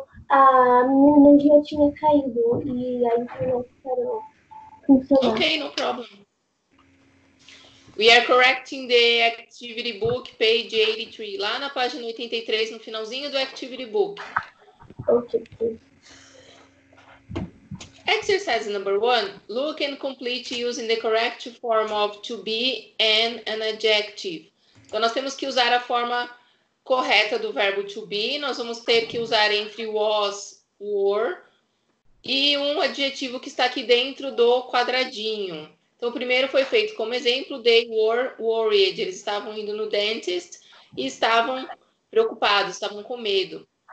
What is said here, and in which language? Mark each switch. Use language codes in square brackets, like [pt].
[pt] A minha energia tinha caído e a internet parou. Funcionou. [en] Ok, no problem. We are correcting the activity book, page 83. [pt] Lá na página 83, no finalzinho do activity book. Ok. [en] Exercise number one, look and complete using the correct form of to be and an adjective. [pt] Então, nós temos que usar a forma correta do verbo to be. Nós vamos ter que usar entre was, were e um adjetivo que está aqui dentro do quadradinho. Então, o primeiro foi feito como exemplo, [en] they were worried. [pt] Eles estavam indo no dentist e estavam preocupados, estavam com medo.